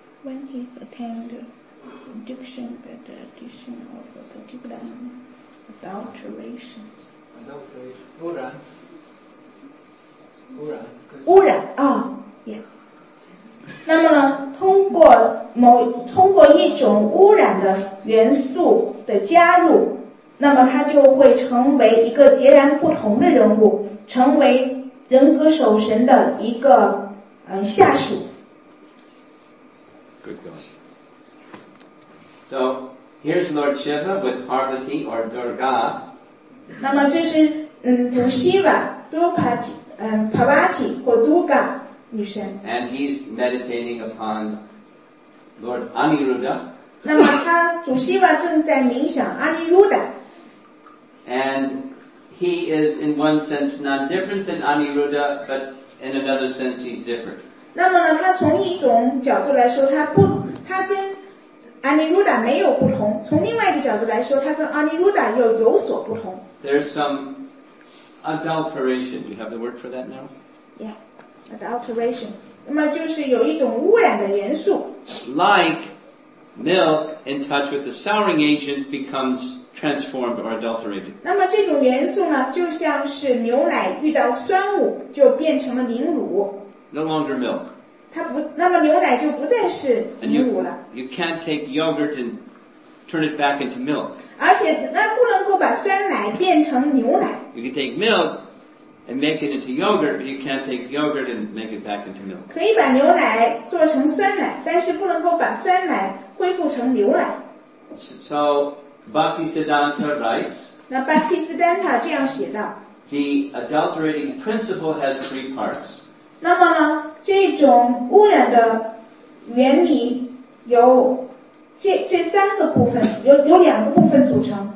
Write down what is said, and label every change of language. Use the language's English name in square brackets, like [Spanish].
[English] When he attained addiction by the addition of the particular adulteration. Adulteration. [Chinese] 污染啊 yeah. 那么呢通过一种污染的元素的加入那么他就会成为一个截然不同的人物成为人格守神的一个下属 [English] Good God So here's Lord Shiva with Parvati or Durga [Chinese] 那么这是主 Shiva Drupati Parvati 或 Durga 女神 [English] And he's meditating upon Lord Aniruddha [Chinese] 那么他主 Shiva 正在冥想 Aniruddha [English] And he is, in one sense, not different than Aniruddha, but in another sense he's different. [Chinese] 那么呢他从一种角度来说他跟 Aniruddha 没有不同，从另外一个角度来说他跟 Aniruddha 又有所不同。 [English] There's some adulteration. Do you have the word for that now? Yeah, adulteration. [Chinese] 那么就是有一种污染的元素。 [English] Like milk in touch with the souring agents becomes transformed or adulterated. [Chinese] 那么这种元素呢就像是牛奶遇到酸物就变成了凝乳。 [English] No longer milk. [Chinese] 它不，那么牛奶就不再是凝乳了。 [English] You can't take yogurt and turn it back into milk. [Chinese] 而且那不能够把酸奶变成牛奶。 [English] You can take milk and make it into yogurt, but you can't take yogurt and make it back into milk. [Chinese] 可以把牛奶做成酸奶，但是不能够把酸奶恢复成牛奶。 [English] So Bhaktisiddhanta writes. [Chinese] 那 Bhaktisiddhanta 这样写道。 [English] The adulterating principle has three parts. [Chinese] 那么呢这种污染的原理由 这三个部分 有两个部分组成。